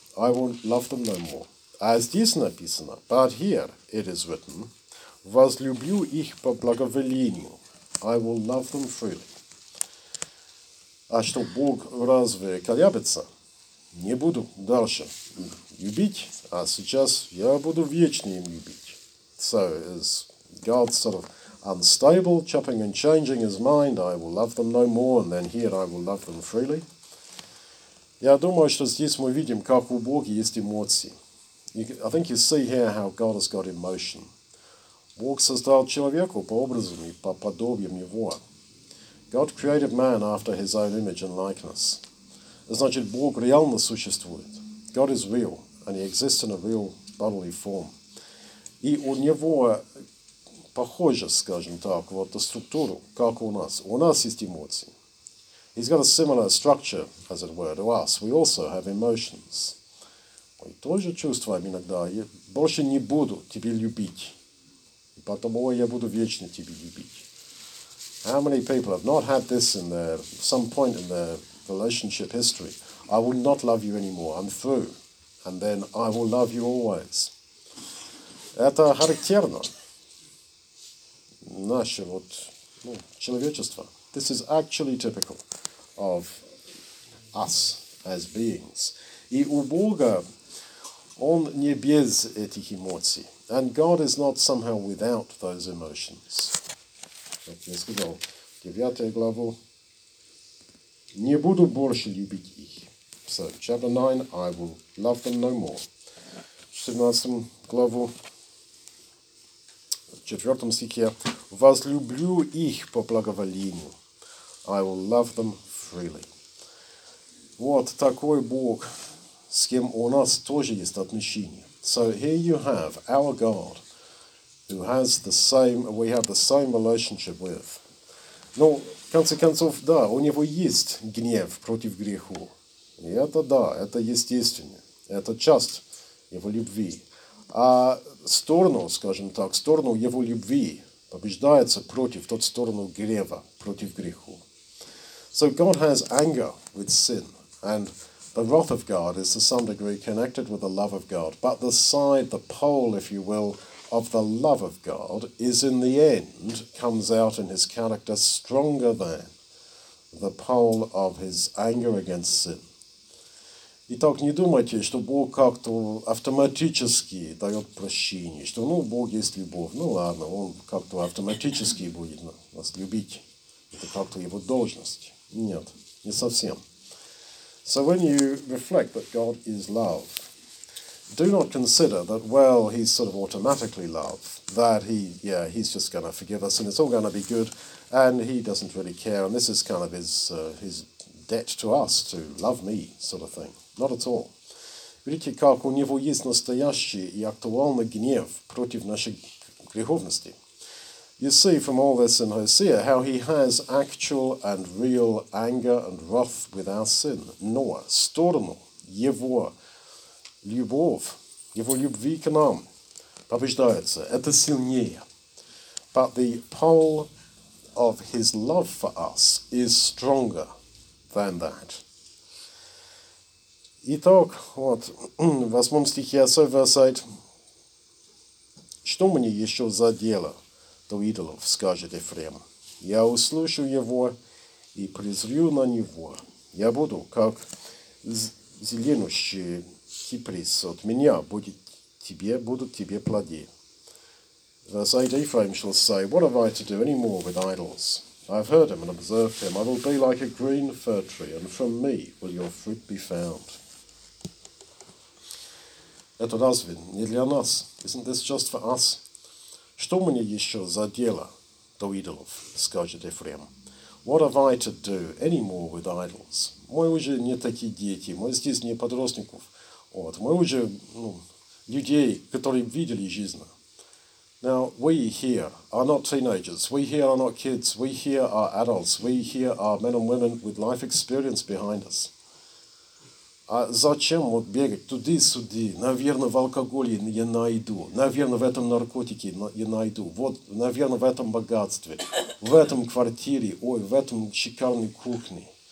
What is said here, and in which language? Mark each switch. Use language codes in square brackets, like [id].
[en] I will love them no more. [ru] А здесь написано, [en] but here it is written, [ru] возлюблю их по благоволению. [en] I will love them freely. [ru] А что, Бог разве колеблется? Не буду дальше любить, а сейчас я буду вечно им любить. [en] So is God sort of unstable, chopping and changing his mind, I will love them no more, and then here I will love them freely. [ru] Я думаю, что здесь мы видим, как у Бога есть эмоции. [en] I think you see here how God has got emotion. [ru] Бог создал человека по образу и по подобию его. [en] God created man after his own image and likeness. [ru] Значит, Бог реально существует. [en] God is real, and he exists in a real bodily form. [ru] И у него похоже, скажем так, вот на структуру, как у нас. У нас есть эмоции. [en] He's got a similar structure, as it were, to us. We also have emotions. [ru] Мы тоже чувствуем иногда, я больше не буду тебе любить. Потому я буду вечно тебе любить. [en] How many people have not had this in their, some point in their relationship history? I will not love you anymore, I'm through. And then I will love you always. [ru] Это характерно. Наше вот, ну, человечество. [en] This is actually typical of us as beings. [ru] И у Бога, он не без этих эмоций. [en] And God is not somehow without those emotions. [ru] Так, я сказал, 9 главу. Не буду больше любить их. [en] So, chapter 9, I will love them no more. [ru] 17 главу. В четвертом стихе, возлюблю их по благоволению. [en] I will love them freely. [ru] Вот такой Бог, с кем у нас тоже есть отношения. [en] So here you have our God, who has the same, we have the same relationship with. [ru] Ну, в конце концов, да, у него есть гнев против греху. И это да, это естественно. Это часть его любви. А сторону, скажем так, сторону его любви побеждается против тот сторону грева, против греху. [en] So God has anger with sin, and the wrath of God is to some degree connected with the love of God, but the side, the pole, if you will, of the love of God is in the end, comes out in his character stronger than the pole of his anger against sin. [ru] Итак, не думайте, что Бог как-то автоматически дает прощение, что, ну, Бог есть любовь, ну ладно, он как-то автоматически будет вас любить. Это как-то его должность. Нет, не совсем. [en] So when you reflect that God is love, do not consider that, well, he's sort of automatically love, that he, yeah, he's just going to forgive us and it's all going to be good, and he doesn't really care, and this is kind of his debt to us, to love me, sort of thing. Not at all. [ru] Видите, как у него есть настоящий и актуальный гнев против нашей греховности. [en] You see from all this in Hosea how he has actual and real anger and wrath with our sin. [ru] Но сторону его любви к нам побеждается. Это сильнее. [en] But the pole of his love for us is stronger than that. [ru] Итак, вот, в 8 стихе, [en] so verse 8, [ru] что мне еще за дело до идолов, скажет Ефрем. Я услышу его и презрю на него. Я буду, как зеленущий киприс от меня, будут тебе плоди. [en] Verse 8, Ephraim shall say, what have I to do any more with idols? I've heard him and observed him. I will be like a green fir tree, and from me will your fruit be found. [ru] Это разве не для нас? [en] Isn't this just for us? [ru] Что мне еще за дело до идолов, скажет Ефрем. [en] What have I to do anymore with idols? [ru] Мы уже не такие дети, мы здесь не подростников. Вот. Мы уже, ну, людей, которые видели жизнь. [en] Now, we here are not teenagers, we here are not kids, we here are adults, we here are men and women with life experience behind us. [ru] А зачем вот бегать туда-сюда? Наверное, в алкоголе я найду. Наверное, в этом наркотике я найду. Вот, наверное, в этом богатстве. В этом квартире, ой, в этом шикарной кухне.